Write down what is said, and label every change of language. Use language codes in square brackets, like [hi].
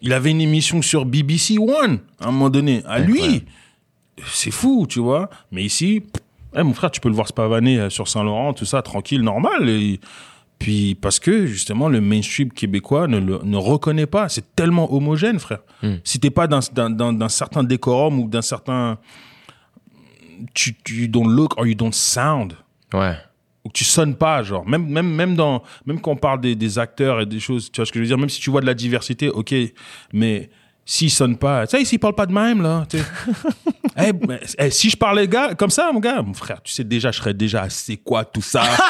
[fr] Il avait une émission sur BBC One, à un moment donné, à incroyable. Lui. C'est fou, tu vois. Mais ici, mon frère, tu peux le voir se pavaner sur Saint-Laurent, tout ça, tranquille, normal. Et puis, parce que, justement, le mainstream québécois ne reconnaît pas. C'est tellement homogène, frère. Mm. Si t'es pas d'un certain décorum ou d'un certain... [en] You don't look or you don't sound. [fr] Ouais. Ou que tu sonnes pas, genre. Même quand on parle des acteurs et des choses, tu vois ce que je veux dire? Même si tu vois de la diversité, OK, mais s'ils sonnent pas... Tu sais, s'ils parlent pas de même, là, tu sais. Hey, si je parlais gars, comme ça, mon gars, mon frère, tu sais déjà, je serais déjà assez quoi, tout ça.